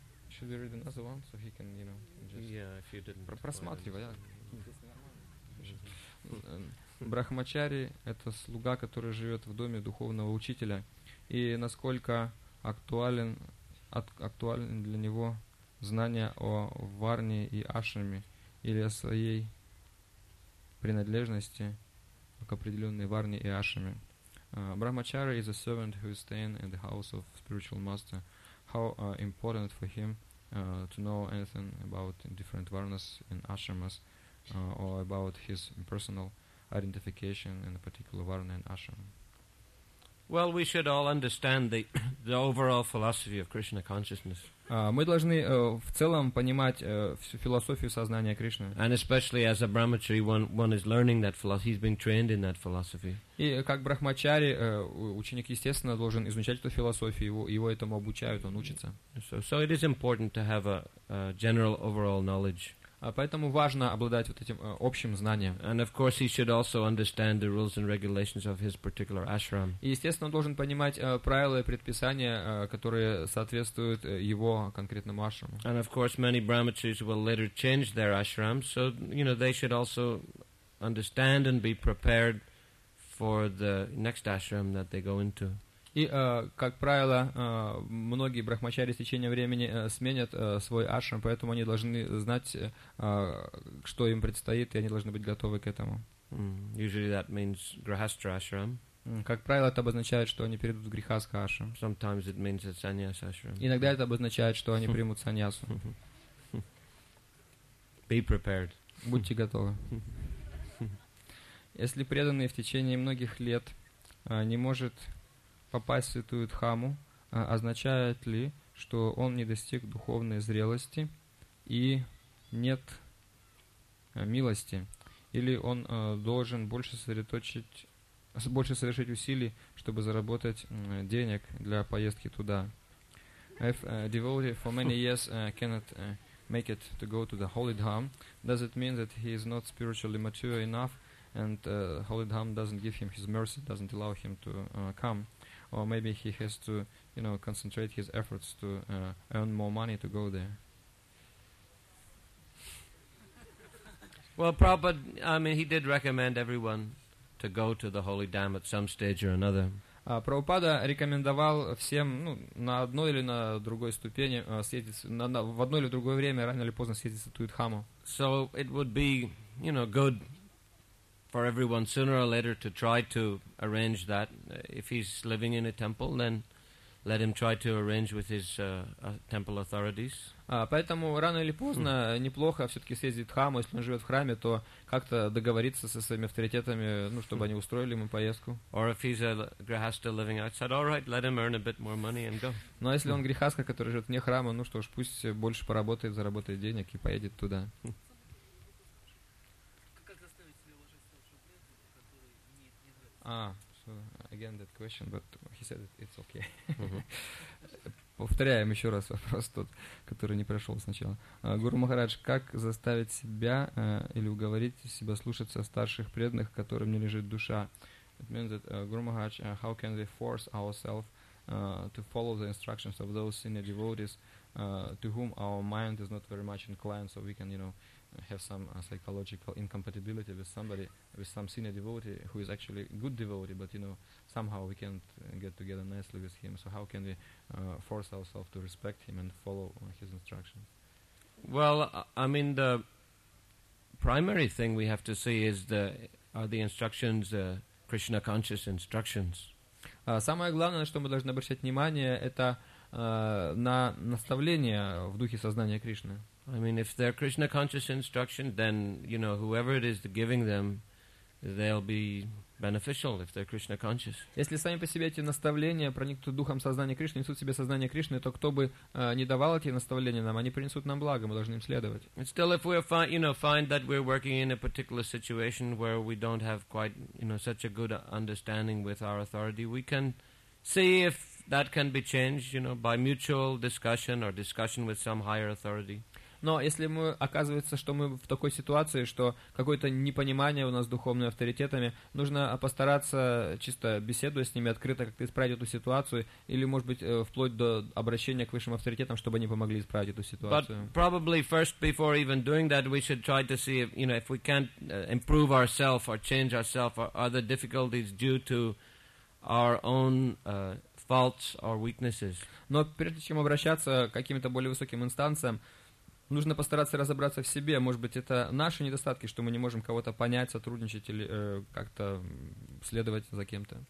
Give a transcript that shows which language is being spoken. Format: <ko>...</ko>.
<en>Should we read another one, so he can, you know, just... Yeah, if you didn't...</en> <ru>Просматривай, да? Брахмачари — это слуга, который живет в доме духовного учителя. И насколько актуален для него знание о Варне и Ашраме или о своей принадлежности к определенной Варне и Ашраме?</ru> <en>Brahmachari is a servant who is staying in the house of spiritual master. How important for him to know anything about different varnas and ashramas or about his personal identification in a particular varna and ashram? Well, we should all understand the overall philosophy of Krishna consciousness.</en> <ru>Мы должны в целом понимать всю философию сознания Кришны.</ru> <en>And especially as a brahmachari, one is learning that philosophy. He's been trained in that philosophy.</en> <ru>И как брахмачари, ученик, естественно, должен изучать эту философию. Его этому обучают, он учится.</ru> <en>So it is important to have a general overall knowledge.</en> <ru>Поэтому важно обладать вот этим общим знанием.</ru> <en>And of course he should also understand the rules and regulations of his particular ashram.</en> <ru>И естественно, он должен понимать правила и предписания, которые соответствуют его конкретному ашраму.</ru> <en>And of course many brahmacharis will later change their ashram, so you know they should also understand and be prepared for the next ashram that they go into.</en> <ru>И, как правило, многие брахмачари с течением времени сменят свой ашрам, поэтому они должны знать, что им предстоит, и они должны быть готовы к этому.</ru> <en>Usually that means grihastha ashram.</en> <ru>Как правило, это обозначает, что они перейдут в грихастха ашрам.</ru> <en>Sometimes it means a sannyas ashram.</en> <ru>Иногда это обозначает, что они примут саньясу.</ru> <en>Be prepared.</en> <ru>Будьте готовы. Если преданный в течение многих лет не может попасть в святую Дхаму, означает ли, что он не достиг духовной зрелости и нет милости? Или он должен больше совершить усилий, чтобы заработать денег для поездки туда?</ru> <en>If a devotee for many years cannot make it to go to the Holy Dham? Does it mean that he is not spiritually mature enough and Holy Dham doesn't give him his mercy, doesn't allow him to come? Or maybe he has to, you know, concentrate his efforts to earn more money to go there? Well, Prabhupada, I mean, he did recommend everyone to go to the Holy Dham at some stage or another.</en> <ru>Прабхупада рекомендовал всем, ну, на одной или на другой ступени съездить, в одно или другое время, рано или поздно съездить в Туит Хаму.</ru> <en>So it would be, you know, good for everyone sooner or later to try to arrange that. If he's living in a temple, then let him try to arrange with his temple authorities.</en> <ru>Поэтому рано или поздно неплохо все-таки съездить в Хаму, если он живет в храме, то как-то договориться со своими авторитетами, ну, чтобы они устроили ему поездку.</ru> <en>Or if he's a grihastha living outside, all right, let him earn a bit more money and go.</en> <ru>Ну, а если он грихастха, который живет вне храма, ну что ж, пусть больше поработает, заработает денег и поедет туда. Как заставить себя уважать того человека, который не нравится?</ru> <en>Again, that question, but he said it, it's okay.</en> <ru>Повторяем еще раз вопрос тот, который не прошел сначала. Гуру Махарадж, как заставить себя или уговорить себя слушаться старших преданных, которым не лежит душа?</ru> <en>It means that, Гуру Махарадж, how can we force ourselves to follow the instructions of those senior devotees to whom our mind is not very much inclined, so we can, you know, have some psychological incompatibility with somebody, with some senior devotee who is actually a good devotee, but, you know, somehow we can't get together nicely with him. So how can we force ourselves to respect him and follow his instructions? Well, I mean, the primary thing we have to see is are the instructions, Krishna conscious instructions.</en> <ru>Самое главное, на что мы должны обращать внимание, это на наставление в духе сознания Кришны.</ru> <en>I mean, if they're Krishna conscious instruction, then, you know, whoever it is giving them, they'll be beneficial if they're Krishna conscious.</en> <ru>Если сами по себе эти наставления проникнут духом сознания Кришны, несут в себе сознание Кришны, то кто бы не давал эти наставления нам, они принесут нам благо, мы должны им следовать.</ru> <en>And still, if we find that we're working in a particular situation where we don't have quite, you know, such a good understanding with our authority, we can see if that can be changed, you know, by mutual discussion or discussion with some higher authority.</en> <ru>Но если мы оказывается, что мы в такой ситуации, что какое-то непонимание у нас с духовными авторитетами, нужно постараться чисто беседуя с ними открыто как-то исправить эту ситуацию, или, может быть, вплоть до обращения к высшим авторитетам, чтобы они помогли исправить эту ситуацию.</ru> <en>But probably first before even doing that, we should try to see if, you know, if we can't improve ourselves or change ourselves, or are the difficulties due to our own faults or weaknesses.</en> <ru>Но прежде чем обращаться к каким-то более высоким инстанциям, нужно постараться разобраться в себе. Может быть, это наши недостатки, что мы не можем кого-то понять, сотрудничать или как-то следовать за кем-то.</ru>